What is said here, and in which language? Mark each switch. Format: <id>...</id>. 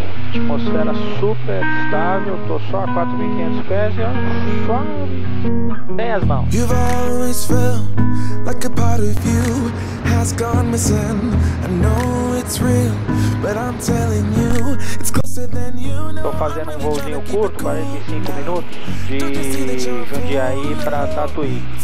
<pt>Atmosfera super estável, tô só a 4.500 pés e ó, suave. Tem as mãos.</pt> <en>You've always felt like a part of you has gone missing. I know it's real, but I'm telling you, it's closer than you know.</en> <pt>Tô fazendo um voozinho curto, 45 minutos, de Jundiaí pra Tatuí.</pt>